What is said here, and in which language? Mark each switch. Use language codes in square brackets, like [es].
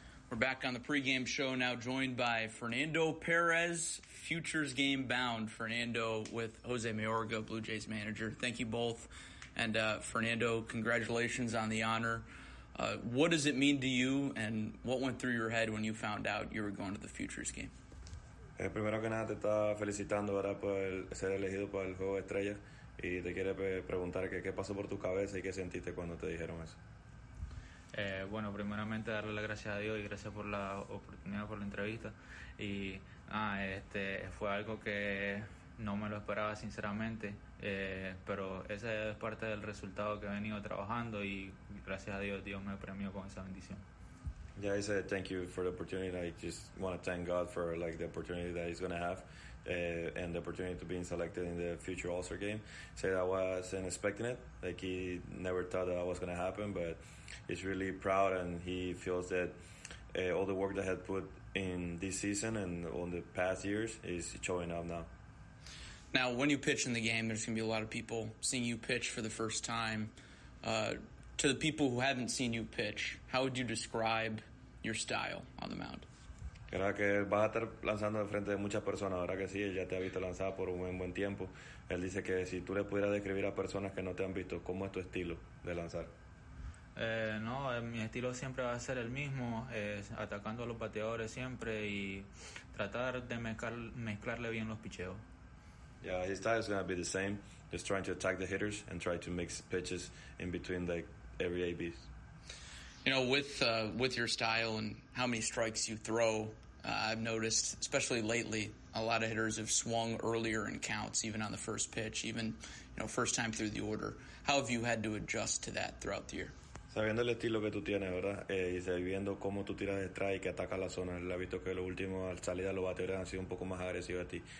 [en] We're back on the pregame show now, joined by Fernando Perez, futures game bound. Fernando with Jose Mayorga, Blue Jays manager. Thank you both. And Fernando, congratulations on the honor. What does it mean to you, and what went through your head when you found out you were going to the futures game? [es] Primero que nada te estaba felicitando, ¿verdad?, por el ser elegido para el juego de estrella, y te quiere preguntar qué pasó por tu cabeza y qué sentiste cuando te dijeron eso. Bueno, primeramente darle las gracias a Dios y gracias por la oportunidad, por la entrevista. Y fue algo que no me lo esperaba sinceramente, pero ese es parte del resultado que he venido trabajando, y gracias a Dios me premió con esa bendición. [en] Yeah, I said thank you for the opportunity. I just want to thank God for like the opportunity that he's going to have and the opportunity to be selected in the future All-Star game. Said I wasn't expecting it. Like, he never thought that was going to happen, but he's really proud, and he feels that all the work that he had put in this season and on the past years is showing up now. Now, when you pitch in the game, there's going to be a lot of people seeing you pitch for the first time. To the people who haven't seen you pitch, how would you describe your style on the mound? [es] Creo que vas a estar lanzando de frente de muchas personas, ¿verdad que sí? Él ya te ha visto lanzar por un buen tiempo. Él dice que si tú le pudieras describir a personas que no te han visto, ¿cómo es tu estilo de lanzar? No, mi estilo siempre va a ser el mismo, atacando a los bateadores siempre y tratar de mezclarle bien los picheos. [en] Yeah, his style is going to be the same, just trying to attack the hitters and try to mix pitches in between like every ABs. You know, with your style and how many strikes you throw, I've noticed, especially lately, a lot of hitters have swung earlier in counts, even on the first pitch, even, you know, first time through the order. How have you had to adjust to that throughout the year? [es] Sabiendo el estilo que tú tienes, ¿verdad? Y sabiendo cómo tú tiras de strike y que atacas la zona. Él ha visto que los últimos, al salir de los bateadores, han sido un poco más agresivos a ti.